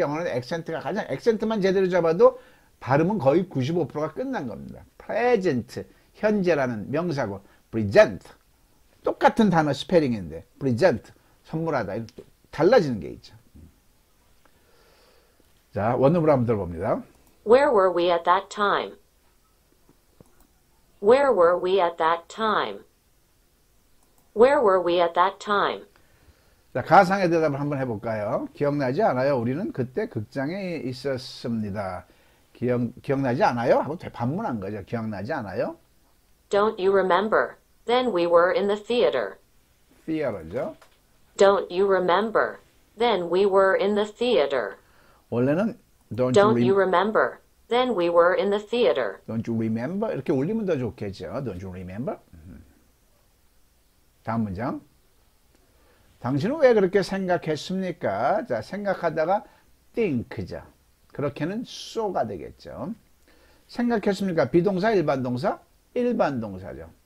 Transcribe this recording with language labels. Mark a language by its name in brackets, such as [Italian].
[Korean] 영어는 액센트가 가장 액센트만 제대로 잡아도 발음은 거의 95%가 끝난 겁니다. Present 현재라는 명사고 present 똑같은 단어 스펠링인데 present 선물하다 달라지는 게 있죠. 자, 원음으로 한번 들어봅니다. [English] Where were we at that time? Where were we at that time? Where were we at that time? [Korean] 자, 가상의 대답을 한번 해볼까요? 기억나지 않아요? 우리는 그때 극장에 있었습니다. 기억나지 않아요? 하고 반문한 거죠. 기억나지 않아요? [English] Don't you remember? Then we were in the theater. Theater죠. Don't you remember? Then we were in the theater. [Korean] 원래는 [English] Don't you remember? Then we were in the theater. Don't you remember? [Korean] 이렇게 올리면 더 좋겠죠. [English] Don't you remember? [Korean] 다음 문장. 당신은 왜 그렇게 생각했습니까? 자, 생각하다가 think죠. 그렇게는 so가 되겠죠. 생각했습니까? 비동사, 일반 동사? 일반 동사죠.